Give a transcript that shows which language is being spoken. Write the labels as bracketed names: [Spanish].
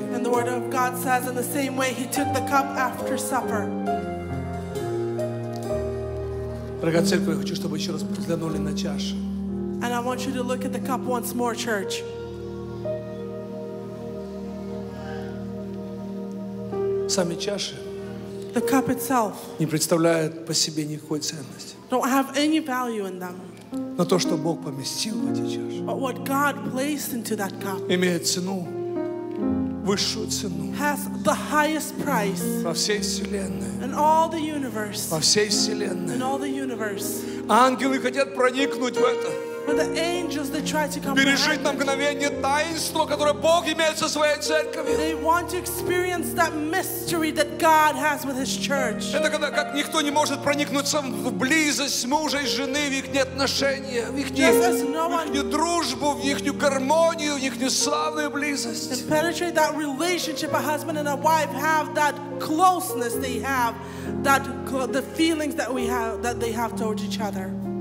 [English] And the word of God says, in the same way, he took the cup after supper. [Russian] Дорогая церковь, я хочу, чтобы еще раз взглянули на чашу. [English] And I want you to look at the cup once more, church. [Russian] Сами чаши. [English] The cup itself. [Russian] Не представляют по себе никакой ценности. [English] Don't have any value in them. [Russian] Но то, что Бог поместил в эти чаши, [English] but what God placed into that cup [Russian] имеет цену высшую цену. [English] Has the highest price. [Russian] Во всей вселенной. [English] In all the universe. [Russian] Во всей вселенной. [English] In all the universe. [Russian] Ангелы хотят проникнуть в это. [English] But the angels, they try to come. [Russian] Пережить на мгновение таинство, которое Бог имеет со своей церковью. [English] They want to experience that mystery that God has with His church. [Russian] Это когда как никто не может проникнуться в близость мужа и жены, в их отношения, в их дружбу, в их гармонию, в их славную близость. [English] And penetrate that relationship a husband and a wife have, that closeness they have, that the feelings that we have, that they have towards each other.